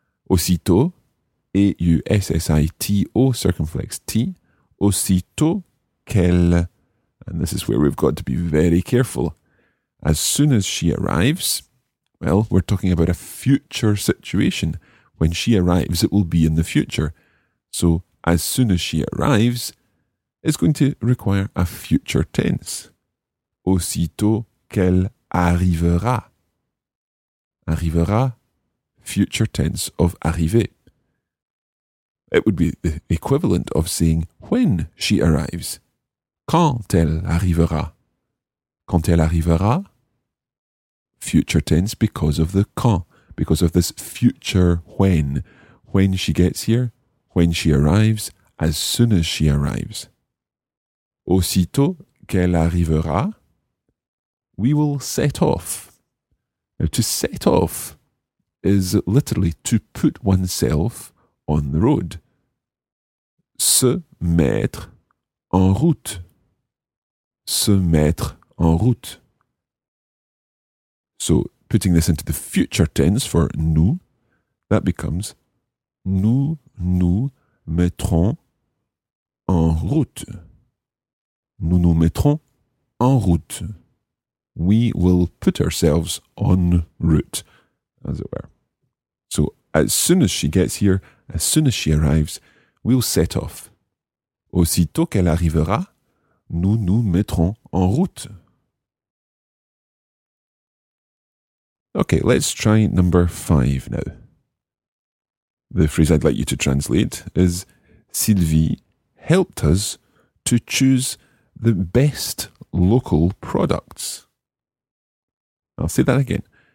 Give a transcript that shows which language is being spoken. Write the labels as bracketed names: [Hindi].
[French] Aussitôt, A-U-S-S-I-T-O, circumflex T, aussitôt, qu'elle, [English] and this is where we've got to be very careful. As soon as she arrives, well, we're talking about a future situation. When she arrives, it will be in the future. So, as soon as she arrives, is going to require a future tense. [French] Aussitôt qu'elle arrivera. [English] Arrivera, future tense of arriver. It would be the equivalent of saying when she arrives. [French] Quand elle arrivera? Quand elle arrivera? [English] Future tense because of the quand, because of this future when. When she gets here, when she arrives, as soon as she arrives. [French] Aussitôt qu'elle arrivera, [English] we will set off. Now, to set off is literally to put oneself on the road. [French] Se mettre en route. Se mettre en route. [English] So, putting this into the future tense for nous, that becomes [French] nous nous mettrons en route. Nous nous mettrons en route. [English] We will put ourselves en route, as it were. So, as soon as she gets here, as soon as she arrives, we'll set off. [French] Aussitôt qu'elle arrivera, nous nous mettrons en route. [English] Okay, let's try number five now. The phrase I'd like you to translate is Sylvie helped us to choose the best local products. I'll say that again.